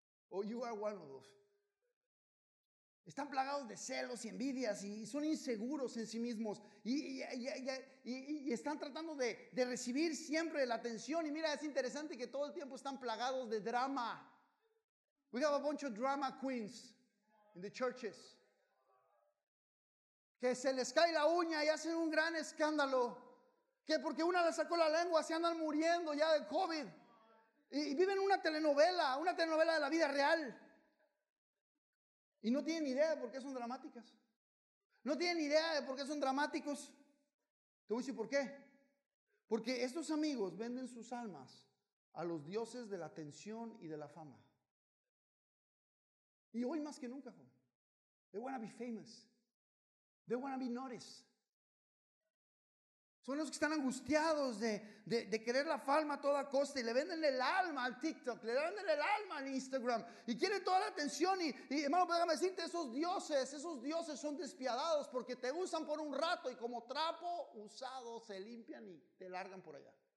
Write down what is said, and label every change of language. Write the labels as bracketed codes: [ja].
[en] O you are one of those. [es] Están plagados de celos y envidias y son inseguros en sí mismos y están tratando de recibir siempre la atención. Y mira, es interesante que todo el tiempo están plagados de drama. [en] We have a bunch of drama queens in the churches. [es] Que se les cae la uña y hacen un gran escándalo. Que porque una le sacó la lengua se andan muriendo ya de COVID. Y viven una telenovela de la vida real. Y no tienen idea de por qué son dramáticas. No tienen idea de por qué son dramáticos. Te voy a decir por qué. Porque estos amigos venden sus almas a los dioses de la atención y de la fama. Y hoy más que nunca, joven. [en] They want to be famous. They want to be noticed. So [es] Son los que están angustiados de querer la fama a toda costa y le venden el alma al TikTok, le venden el alma al Instagram y quieren toda la atención. Y hermano, déjame decirte, esos dioses son despiadados porque te usan por un rato y como trapo usado se limpian y te largan por allá.